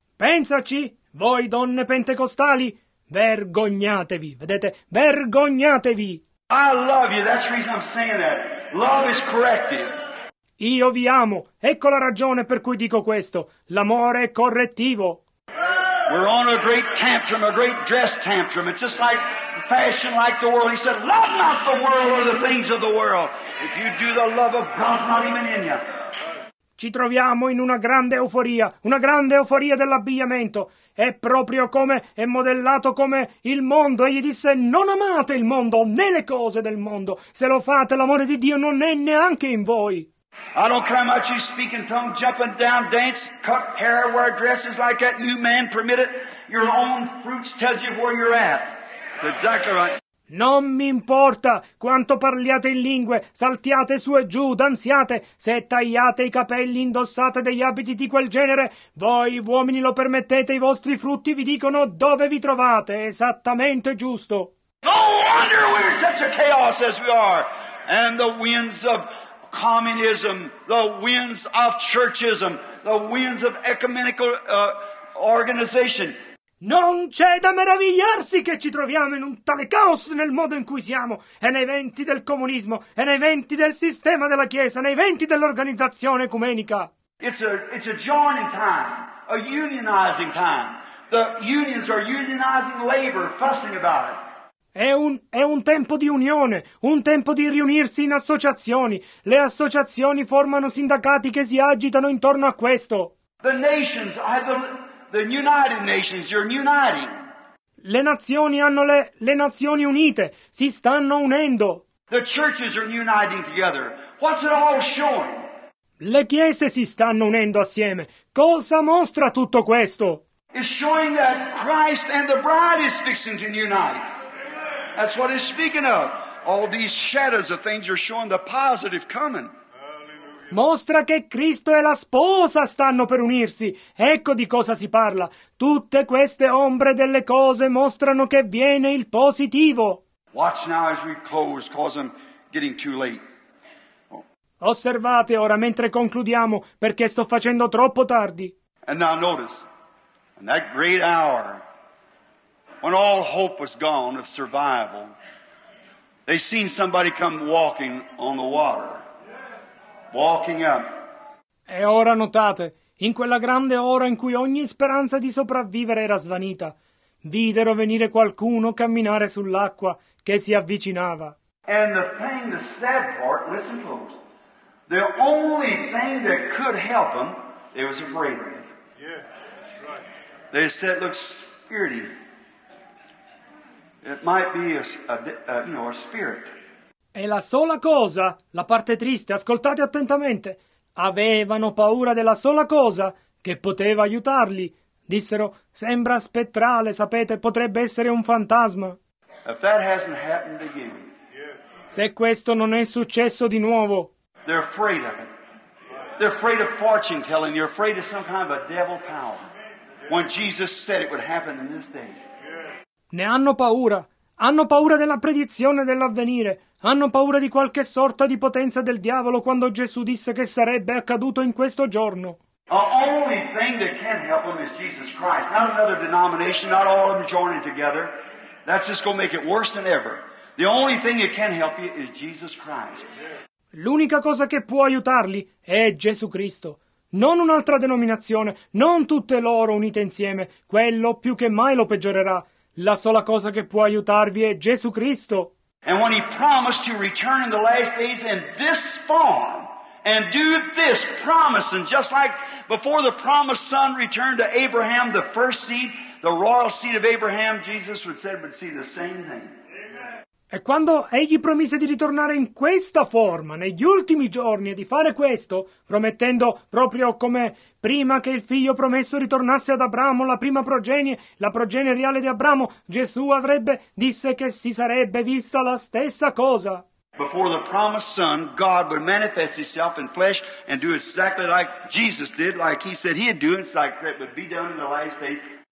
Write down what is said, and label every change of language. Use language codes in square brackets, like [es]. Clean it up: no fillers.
[it] Pensaci, voi donne pentecostali, vergognatevi, vedete? Vergognatevi! [en] I love you, that's the reason I'm saying that. Love is corrective. [it] Io vi amo, ecco la ragione per cui dico questo. L'amore è correttivo. [en] We're on a great tantrum, a great dress tantrum. It's just like fashion like the world. He said, love not the world or the things of the world. If you do, the love of God's not even in you. [it] Ci troviamo in una grande euforia dell'abbigliamento. È proprio come, è modellato come il mondo. Egli disse, non amate il mondo, né le cose del mondo. Se lo fate, l'amore di Dio non è neanche in voi. [en] I don't care how much you speak in tongues, jump and down, dance, cut hair, wear dresses like that, new man, permit it. Your own fruits tells you where you're at. That's exactly right. [it] Non mi importa quanto parliate in lingue, saltiate su e giù, danziate, se tagliate i capelli, indossate degli abiti di quel genere, voi uomini lo permettete, i vostri frutti vi dicono dove vi trovate, esattamente giusto. [en] No wonder we're in such a chaos as we are. And the winds of communism, the winds of churchism, the winds of ecumenical organization. [it] Non c'è da meravigliarsi che ci troviamo in un tale caos nel modo in cui siamo, e nei venti del comunismo, e nei venti del sistema della Chiesa, nei venti dell'organizzazione ecumenica. [en] It's a joining time, a unionizing time. The unions are unionizing labor, fussing about it. [it] È un tempo di unione, un tempo di riunirsi in associazioni. Le associazioni formano sindacati che si agitano intorno a questo. [en] The nations are the United Nations, you're uniting. [it] Le nazioni hanno le Nazioni Unite, si stanno unendo. [en] The churches are uniting together. What's it all showing? [it] Le chiese si stanno unendo assieme. Cosa mostra tutto questo? [en] It's showing that Christ and the bride is fixing to unite. That's what it's speaking of. All these shadows of things are showing the positive coming. [it] Mostra che Cristo e la sposa stanno per unirsi. Ecco di cosa si parla. Tutte queste ombre delle cose mostrano che viene il positivo. [en] Watch now as we close, cause I'm getting too late. [it] Osservate ora mentre concludiamo, perché sto facendo troppo tardi. [en] And now notice, in that great hour, when all hope was gone of survival, they seen somebody come walking on the water. Walking up. [it] E ora notate, in quella grande ora in cui ogni speranza di sopravvivere era svanita, videro venire qualcuno camminare sull'acqua che si avvicinava. [en] And the thing, the sad part, listen folks, the only thing that could help them, it was afraid of it. Yeah, that's right. They said it looks spirity. It might be a spirit. [it] E la sola cosa, la parte triste, ascoltate attentamente. Avevano paura della sola cosa che poteva aiutarli. Dissero, sembra spettrale, sapete, potrebbe essere un fantasma. [en] If that hasn't happened to you, [it] se questo non è successo di nuovo, [en] they're afraid of it. They're afraid of fortune telling. You're afraid of some kind of a devil power. When Jesus said it would happen in this day. [it] Ne hanno paura. Hanno paura della predizione dell'avvenire. Hanno paura di qualche sorta di potenza del diavolo quando Gesù disse che sarebbe accaduto in questo giorno. [en] The only thing that can help them is Jesus Christ. Not another denomination, not all of them joining together. That's just going to make it worse than ever. The only thing that can help you is Jesus Christ. [it] L'unica cosa che può aiutarli è Gesù Cristo. Non un'altra denominazione, non tutte loro unite insieme. Quello più che mai lo peggiorerà. La sola cosa che può aiutarvi è Gesù Cristo. [en] And when he promised to return in the last days in this form and do this promise, and just like before the promised son returned to Abraham, the first seed, the royal seed of Abraham, Jesus would say, would see the same thing. [it] E quando egli promise di ritornare in questa forma, negli ultimi giorni, e di fare questo, promettendo proprio come prima che il figlio promesso ritornasse ad Abramo, la prima progenie, la progenie reale di Abramo, Gesù avrebbe, disse che si sarebbe vista la stessa cosa. [en] Before the promised son, God would manifest himself in flesh and do exactly like Jesus did, like he said he'd do, it's like that would be done in the last days.